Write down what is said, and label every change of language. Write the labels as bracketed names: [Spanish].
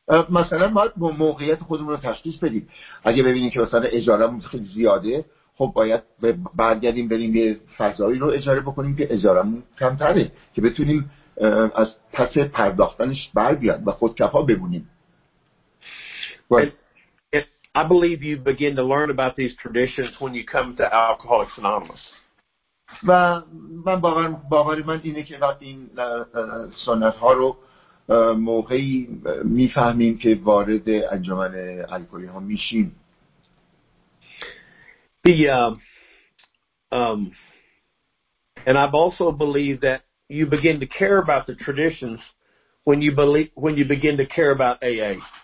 [Persian] مثلا ما موقعیت خودمون رو تشخیص بدیم. اگه ببینیم که مثلا اجارهمون خیلی زیاده، خب باید برگردیم بریم یه فضایی رو اجاره بکنیم که اجارهمون کمتره که بتونیم از پس پرداختنش بر بیاد و خودکفا بمونیم. [English] I believe you begin to learn about these traditions when you come to Alcoholics Anonymous. [Persian] و من باور من اینه که وقتی این سنت ها رو موقعی میفهمیم که وارد انجمن الکلی ها میشیم. [English] And I also believe that you begin to care about the traditions when you begin to care about AA.